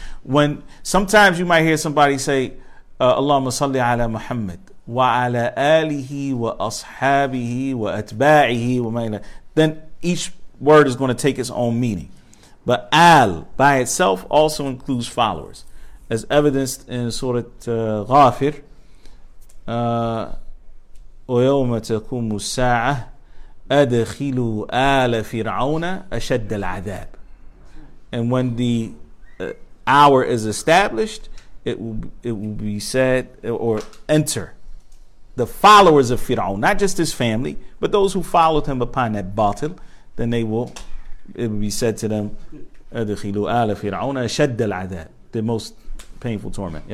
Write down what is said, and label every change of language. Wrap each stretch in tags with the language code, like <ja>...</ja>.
<en>When sometimes you might hear somebody say, Allahumma salli ala Muhammad wa ala alihi wa ashabihi wa atba'ihi wa ma'ina, then each word is going to take its own meaning. But Al, by itself, also includes followers. As evidenced in Surah Ghafir,</en> <ar>وَيَوْمَ تَكُمُ السَّاعَةِ أَدَخِلُوا آلَ فِرْعَوْنَ أَشَدَّ الْعَذَابِ.</ar> <en>And when the hour is established, it will be said, or enter, the followers of Fir'aun, not just his family, but those who followed him upon that batil, then it will be said to them,</en> <ar>أَدَخِلُوا آلَ فِرْعَوْنَ أَشَدَّ الْعَذَابِ,</ar> <en>the most painful torment.</en>